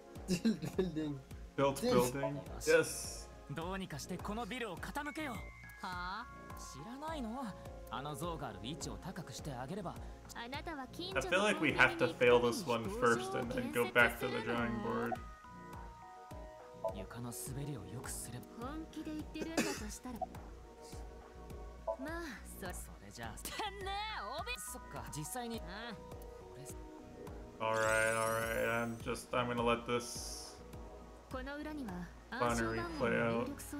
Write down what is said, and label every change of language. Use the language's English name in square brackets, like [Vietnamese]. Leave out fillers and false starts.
[English] Built building. Yes. [Japanese] どうにかしてこのビルを傾けよ。はあ？知らないの？あの像がある位置を高くしてあげれば。あなたは近所の。 [English] I feel like we have to fail this one first and then go back to the drawing board. [Japanese] 床の滑りを良くすれば。本気で言ってるんだとしたら。まあ、それじゃあ。てんね、おび。そっか、実際に。うん。これ。 [English] Alright, I'm gonna let this binary play out.